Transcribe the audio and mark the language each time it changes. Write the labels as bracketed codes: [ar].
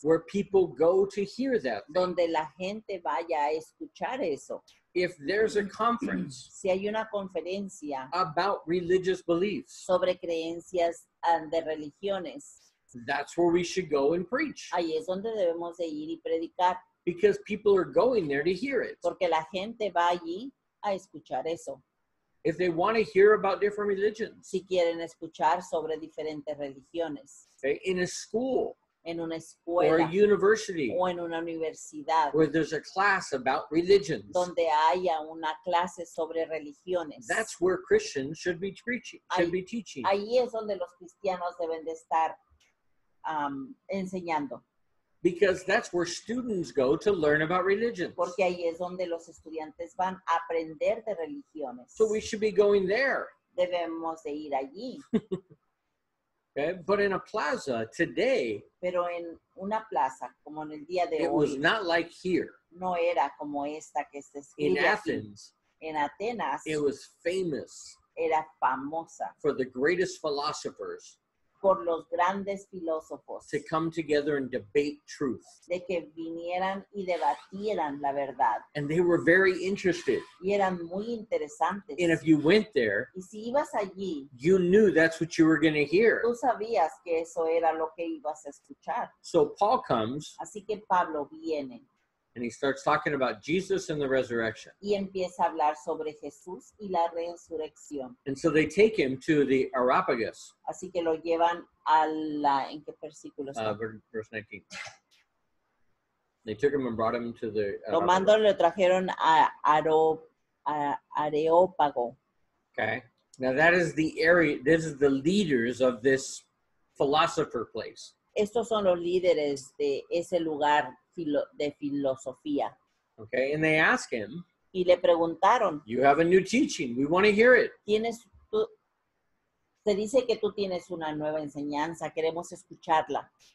[en] Where people go to hear that. Thing. [es] Donde la gente vaya a escuchar eso. [en] If there's a conference. [es] Si hay una conferencia. [en] About religious beliefs. [es] Sobre creencias de religiones. [en] That's where we should go and preach. [es] Ahí es donde debemos de ir y predicar. [en] Because people are going there to hear it. [es] Porque la gente va allí a escuchar eso. [en] If they want to hear about different religions. [es] Si quieren escuchar sobre diferentes religiones. [en] Okay, in a school. [es] En una escuela. [en] Or a university. [es] O en una universidad. [en] Where there's a class about religions. [es] Donde haya una clase sobre religiones. [en] That's where Christians should be preaching. [es] Ahí es donde los cristianos deben de estar enseñando. [en] Because that's where students go to learn about religions. [es] Porque ahí es donde los estudiantes van a aprender de religiones. [en] So we should be going there. [es] Debemos de ir allí. [en] Okay, but in a plaza today. [es] Pero en una plaza como en el día de hoy. [en] It was not like here. [es] No era como esta que se escribe aquí. [en] In Athens. [es] En Atenas. [en] It was famous. [es] Era famosa. [en] For the greatest philosophers. [es] Por los grandes filósofos. [en] To come together and debate truth. [es] De que vinieran y debatieran la verdad. [en] And they were very interested. [es] Y eran muy interesantes. [en] And if you went there. [es] Y si ibas allí. [en] You knew that's what you were going to hear. [es] Tú sabías que eso era lo que ibas a escuchar. [en] So Paul comes. [es] Así que Pablo viene. [en] And he starts talking about Jesus and the resurrection. [es] Y empieza a hablar sobre Jesús y la resurrección. [en] And so they take him to the Areopagus. [es] Así que lo llevan a la, ¿en qué versículo está? [en] Verse 19. They took him and brought him to the [es] Areopagus. Lo mandaron, lo trajeron a Areópago. [en] Okay. Now that is the area, this is the leaders of this philosopher place. [es] Estos son los líderes de ese lugar de filosofía. [en] Okay, and they ask him. [es] Y le preguntaron. [en] You have a new teaching. We want to hear it. [es] Tienes tú. Se dice que tú tienes una nueva enseñanza. Queremos escucharla.